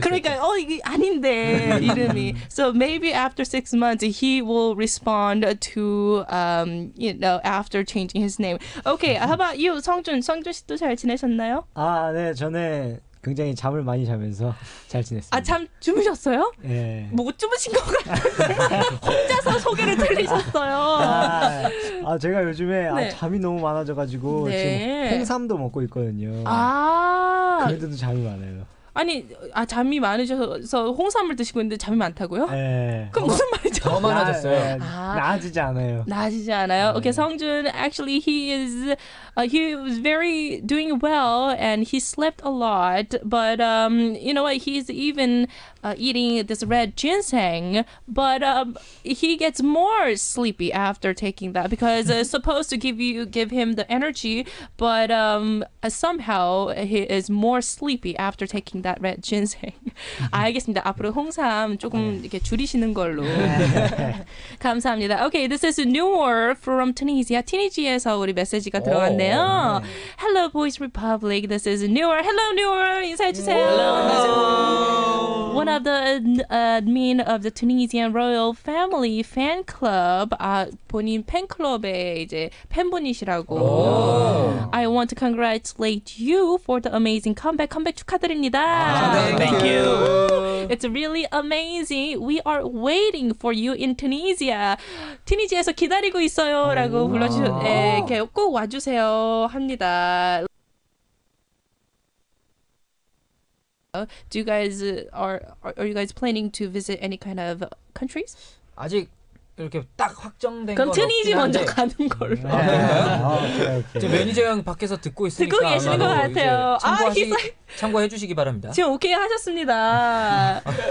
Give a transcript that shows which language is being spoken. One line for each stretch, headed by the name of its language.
Korean: 그러니까 있을까요? 이게 아닌데 이름이.
English: So maybe after 6 months he will respond to you know after changing his name. Okay, how about you, 성준?
Korean: 성준 씨도 잘 지내셨나요? 아, 네, 저는 굉장히 잠을 많이 자면서 잘 지냈습니다. 아, 잠 주무셨어요? 예. 못 주무신 것 같은데 혼자서 소개를 틀리셨어요. 아, 제가 요즘에 네. 아, 잠이 너무 많아져가지고 네. 지금 홍삼도 먹고 있거든요. 아. 그래도 잠이 많아요. 아니, 아, 잠이 많으셔서 홍삼을 드시고 있는데 잠이 많다고요? 네. 그럼 무슨 말이죠? 더 많아졌어요. 아, 나아지지 않아요. 나아지지 않아요? 네.
English: Okay, 성준, actually, he was very doing well, and he slept a lot, but you know what, he's even eating this red ginseng, but he gets more sleepy after taking that, because it's supposed to give him the energy, but somehow he is more sleepy after taking that red ginseng.
Korean: 알겠습니다. 앞으로 홍삼 조금 이렇게 줄이시는 걸로. 감사합니다.
English: Okay, this is Noor from Tunisia.
Korean: Tunisia에서 우리 메시지가 들어왔네요.
English: Hello, Voice Republic. This is Noor. Hello, Noor.
Korean: 인사해주세요.
English: Hello. One of the admin of the Tunisian Royal Family Fan Club.
Korean: 아, 본인 팬클럽의 이제 팬분이시라고.
English: I want to congratulate you for the amazing comeback.
Korean: 컴백 축하드립니다.
English: Thank you. It's really amazing. We are waiting for you in Tunisia.
Korean: 튀니지에서 기다리고 있어요라고 불러주셨네. 계속 꼭 와주세요 합니다.
English: Do you guys are you guys planning to visit any kind of countries?
Korean: 아직 이렇게 딱 확정된 그럼 튀니지 먼저 가는 걸로. 아, 그래요? 매니저 형 밖에서 듣고 있으니까 듣고 계시는 것 같아요. 참고해 주시기 바랍니다. 지금 오케이 하셨습니다.